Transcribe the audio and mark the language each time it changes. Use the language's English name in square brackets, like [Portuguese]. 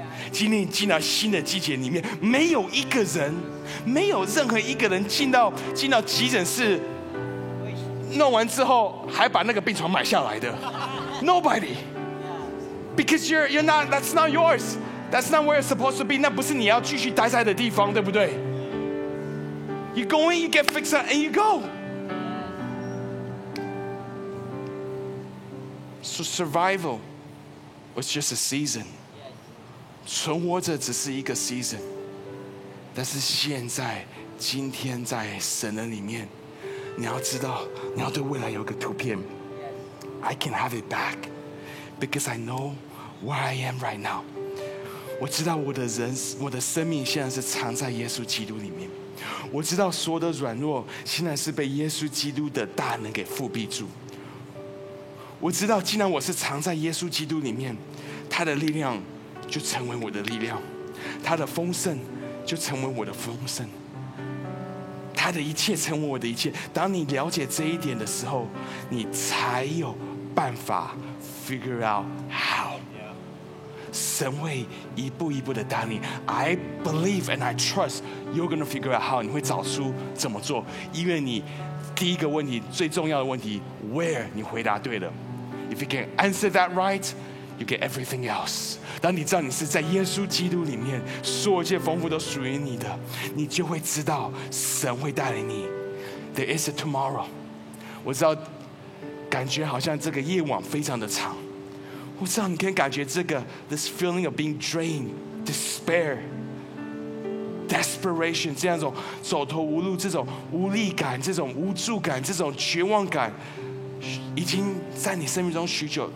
[Chinese] 今天进到新的季节里面，没有一个人，没有任何一个人进到急诊室弄完之后还把那个病床买下来的。 [English] Nobody. Because that's not yours. That's not where you're supposed to be. [Chinese] 那不是你要继续待在的地方，对不对？ [English] You go in, you get fixed up, and you go. So survival was just a season. [Chinese] 存活着只是一个 [English] season， [Chinese] 但是现在今天在神的里面，你要知道你要对未来有个图片。 [English] I can have it back because I know where I am right now。 [Chinese] 我知道我的生命现在是藏在耶稣基督里面，我知道所有的软弱现在是被耶稣基督的大能给覆庇住，我知道既然我是藏在耶稣基督里面，他的力量就成为我的力量，他的丰盛就成为我的丰盛，他的一切成为我的一切。当你了解这一点的时候，你才有办法 [English] figure out how [Chinese] 神会一步一步的带你。 [English] I believe and I trust you're gonna figure out how， [Chinese] 你会找出怎么做，因为你第一个问题最重要的问题 [English] where， [Chinese] 你回答对了。 [English] If you can answer that rightYou get everything else. [Chinese] 当你知道你是在耶稣基督里面，所有一切丰富都属于你的，你就会知道神会带领你。 [English] There is a tomorrow. [Chinese] 我知道感觉好像这个夜晚非常的长，我知道你可以感觉这个 [English] This feeling of being drained, despair, desperation, [Chinese] 这样一种走投无路，这种无力感，这种无助感，这种绝望感已经在你生命中许久。